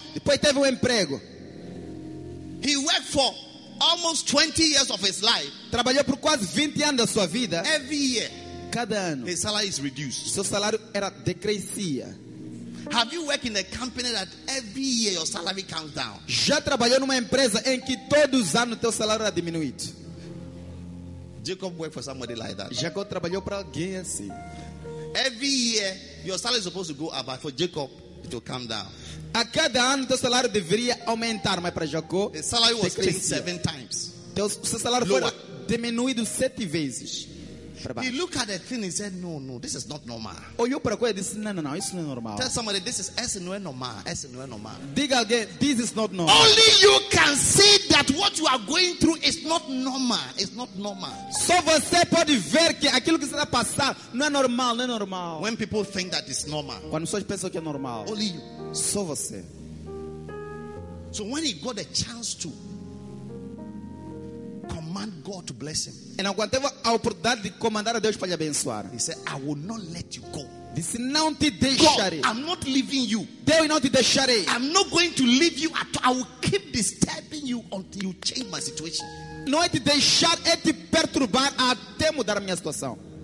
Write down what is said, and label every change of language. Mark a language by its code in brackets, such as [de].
[pt] Depois teve emprego. [en] He worked for almost 20 years of his life. [pt] Trabalhou por quase 20 anos da sua vida. [en] Every year. [pt] Cada ano. [en] His salary is reduced. [pt] Seu salário era decrescia. [en] Have you worked in a company that every year your salary comes down? [pt] Já trabalhou numa empresa em que todos os anos teu salário era diminuído? [en] Jacob worked for somebody like that. [pt] Jacob trabalhou para alguém assim. [en] Every year your salary is supposed to go up, but for Jacob it will come down. [pt] A cada ano teu salário deveria aumentar, mas para Jacó, [en] his salary was changed 7 times. [pt] Seu salário foi diminuído 7 vezes. [en] He looked at the thing and said, no, this is not normal. [pt] Olhou para coisa e disse, não, isso não é normal. [en] Tell somebody, this is normal. [pt] Diga alguém, [en] this is not normal. Only you can say that what you are going through is not normal. It's not normal. [pt] Só você pode ver que aquilo que está passando não é normal, não é normal. [en] When people think that it's normal. [pt] Quando pessoas pensam que é normal. [en] Only you. [pt] Só você. [en] So when he got a chance to command God to bless him. [pt] E não teve a oportunidade de comandar a Deus para lhe abençoar. [en] He said, I will not let you go. [pt] Disse, não te deixarei. [en] God, I'm not leaving you. [pt] Deus, não te deixarei. [en] I'm not going to leave you at all. I will keep disturbing you until you change my situation. [pt] Não é te deixar, é te perturbar até mudar a minha situação.